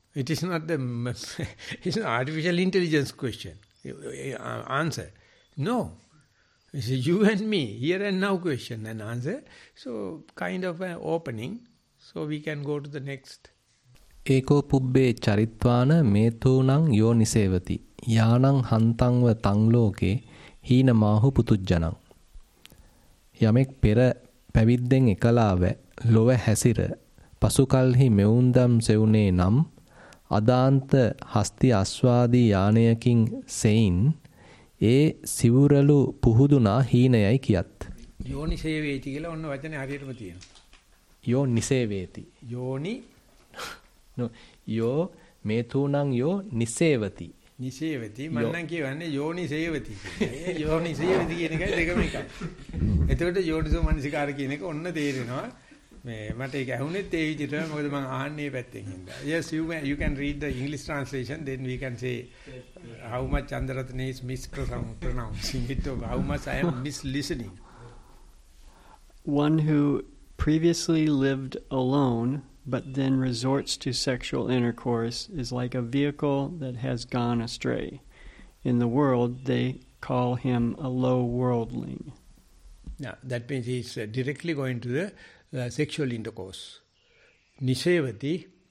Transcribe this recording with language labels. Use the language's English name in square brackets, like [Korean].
[English] It is not the it's an artificial intelligence question, answer. No, it's a you and me, here and now question and answer. So kind of an opening, so we can go to the next. [Pali] Eko pubbe charitvana metunang yo nisevati. යානං හන්තංව තං ලෝකේ හීන මාහු පුතුජ්ජනං [Sinhala] යමෙක් පෙර පැවිද්දෙන් එකලාව ලොව හැසිර පසුකල්හි මෙවුන්දම් සෙවුනේ නම් අදාන්ත හස්ති අස්වාදී යානයකින් සෙයින් ඒ සිවුරලු පුහුදුනා හීනයයි කියත් [Pali] යෝනි සේවේති [Sinhala] කියලා ඔන්න වචනේ හරියටම තියෙනවා [Pali] යෝනි සේවේති යෝනි නෝ යෝ මේතුණං යෝ නිසේවති [Sinhala] නිසේවති මන්නම් කියවන්නේ යෝනි සේවති යෝනි සේවති කියන එකයි දෙකම එකක් එතකොට යෝනිසෝ මනසිකාර කියන එක ඔන්න තේරෙනවා මේ මට ඒක ඇහුනේත් ඒ විදිහටම මොකද මං ආන්නේ මේ පැත්තෙන් හින්දා [English] yes you can read the english translation then we can say how much chandratne is mispronouncing it or how much I am mislistening one who previously lived alone but then resorts to sexual intercourse is like a vehicle that has gone astray. In the world, they call him a low worldling. Yeah, that means he's directly going to the sexual intercourse. Nisevati.